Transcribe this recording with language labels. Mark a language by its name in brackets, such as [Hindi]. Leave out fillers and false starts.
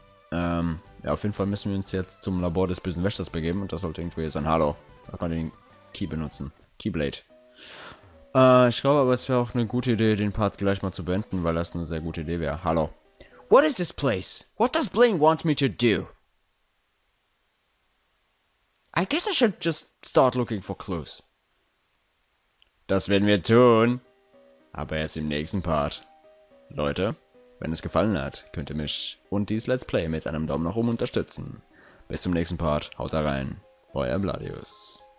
[German] Ja, auf jeden Fall müssen wir uns jetzt zum Labor des bösen Wächters begeben und das sollte irgendwo hier sein. Hallo. Da kann man den Key benutzen. Keyblade. Ich glaube aber, es wäre auch eine gute Idee, den Part gleich mal zu beenden, weil das eine sehr gute Idee wäre. Hallo. [English] What is this place? What does Blaine want me to do? I guess I should just start looking for clues. [German] Das werden wir tun. Aber erst im nächsten Part. Leute, wenn es gefallen hat, könnt ihr mich und dies Let's Play mit einem Daumen nach oben unterstützen. Bis zum nächsten Part. Haut da rein. Euer Bladius.